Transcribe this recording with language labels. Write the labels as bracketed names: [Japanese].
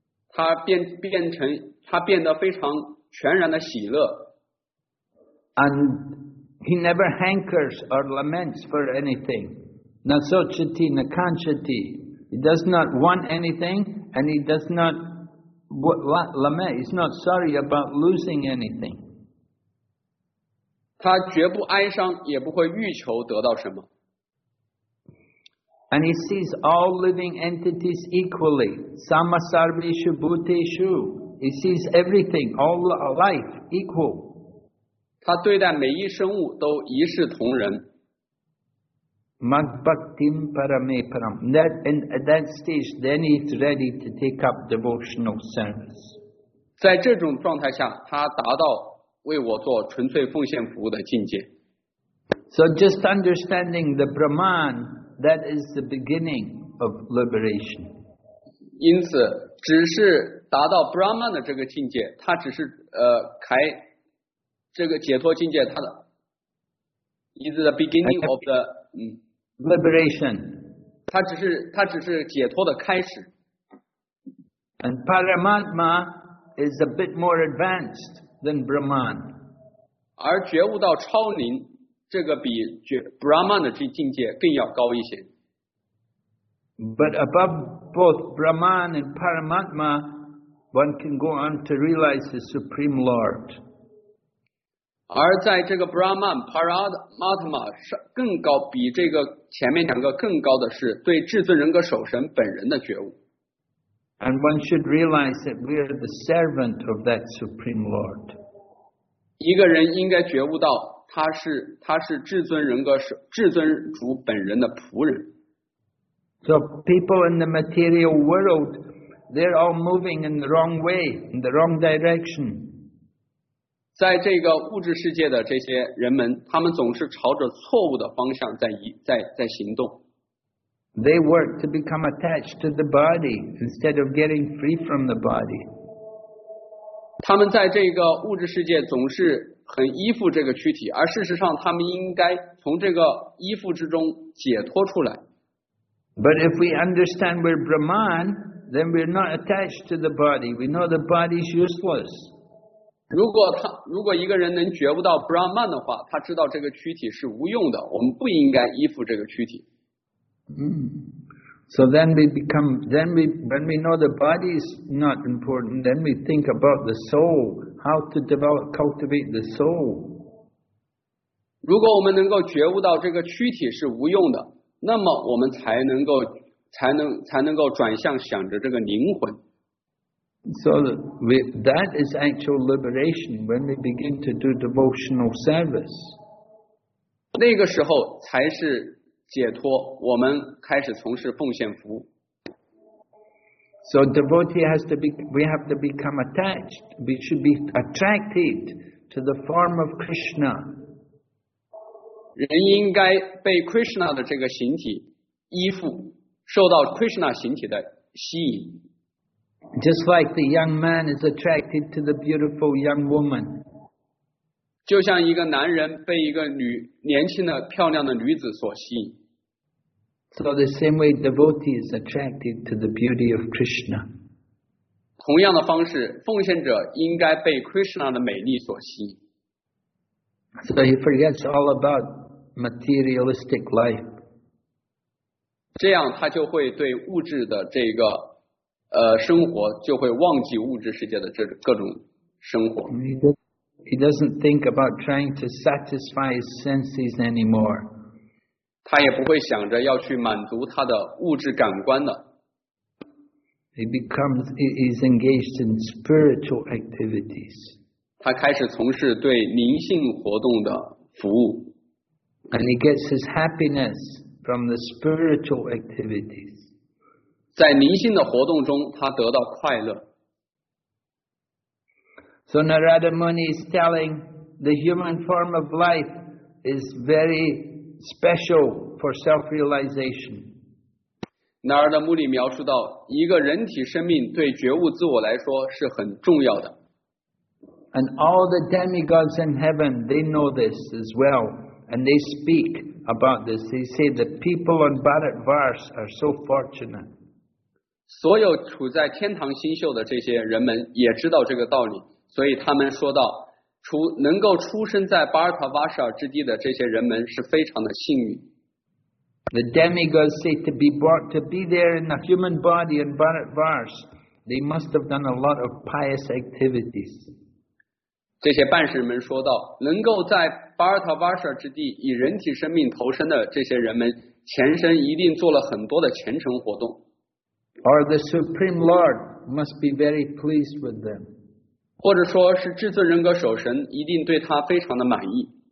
[Chinese] 他变得非常全然的喜乐， [English] and he never hankers or laments for anything， [Sanskrit] na sochati na kanchati， [English] he does not want anything and he does notLament, he's not sorry about losing anything. [Chinese] 他绝不哀伤，也不会欲求得到什么。 [English] And he sees all living entities equally. [Sanskrit] Sama sarveshu bhuteshu. [English] He sees everything, all life equal. [Chinese] 他对待每一生物都一视同仁。 [Sanskrit] Mag bhaktim parame param. [English] That in at that stage, then he's ready to take up devotional service. [Chinese] 在这种状态下，他达到为我做纯粹奉献服务的境界。 [English] So just understanding the Brahman, that is the beginning of liberation. [Chinese] 因此，只是达到 Brahman 的这个境界，他只是开这个解脱境界，他的 [English] is the beginning of the. Liberation. [Chinese] 它只是解脱的开始。 [English] And Paramatma is a bit more advanced than Brahman. [Chinese] 而觉悟到超灵，这个比Brahman的这境界更要高一些。 [English] But above both Brahman and Paramatma, one can go on to realize the Supreme Lord. [Chinese] 而在这个 Brahman Paramatma 更高，比这个前面两个更高的是对至尊人格守神本人的觉悟。 [English] And one should realize that we are the servant of that Supreme Lord. [Chinese] 一个人应该觉悟到他是至尊人格至尊主本人的仆人。 [English] So people in the material world, they're all moving in the wrong way, in the wrong direction. [Chinese] 在这个物质世界的这些人们，他们总是朝着错误的方向在行动。 [English] They work to become attached to the body instead of getting free from the body. [Chinese] 他们在这个物质世界总是很依附这个躯体，而事实上他们应该从这个依附之中解脱出来。 [English] But if we understand we're Brahman, then we're not attached to the body. We know the body's useless. [Chinese] 如果一个人能觉悟到 Brahman 的话，他知道这个躯体是无用的，我们不应该依附这个躯体。 [English] So then we become, then we, when we know the body is not important, then we think about the soul, how to develop, cultivate the soul. [Chinese] 如果我们能够觉悟到这个躯体是无用的，那么我们才能够转向想着这个灵魂。 [English] So that is actual liberation when we begin to do devotional service. [Chinese] 那个时候才是解脱，我们开始从事奉献服务。 [English] So devotee has to be, we have to become attached. We should be attracted to the form of Krishna. [Chinese] 人应该被 Krishna 的这个形体依附，受到 Krishna 形体的吸引。 [English] Just like the young man is attracted to the beautiful young woman. [Chinese] 就像一个男人被一个年轻的漂亮的女子所吸引。 [English] So the same way devotee is attracted to the beauty of Krishna. [Chinese] 同样的方式，奉献者应该被 Krishna 的美丽所吸引。 [English] So he forgets all about materialistic life. [Chinese] 这样他就会对物质的这个生活就会忘记物质世界的这各种生活。 [English] He doesn't think about trying to satisfy his senses anymore. [Chinese] 他也不会想着要去满足他的物质感官的。 [English] He's engaged in spiritual activities. [Chinese] 他开始从事对灵性活动的服务。 [English] And he gets his happiness from the spiritual activities. [Chinese] 在灵性的活动中，他得到快乐。 [English] So Narada Muni is telling the human form of life is very special for self-realization. [Chinese] Narada Muni 描述到一个人体生命对觉悟自我来说是很重要的。 [English] And all the demigods in heaven, they know this as well. And they speak about this. They say the people on Bharat Vars are so fortunate. [Chinese] 所有处在天堂星宿的这些人们也知道这个道理。所以他们说到，能够出生在巴尔塔瓦舍尔之地的这些人们是非常的幸运。 [English] The demigods say to be brought to be there in a human body in Bharat Vars, they must have done a lot of pious activities. [Chinese] 这些半神们说到，能够在巴尔塔瓦舍尔之地以人体生命投身的这些人们，前身一定做了很多的虔诚活动。 [English] Or the Supreme Lord must be very pleased with them. [Chinese] 或者说是至尊人格守神一定对他非常的满意。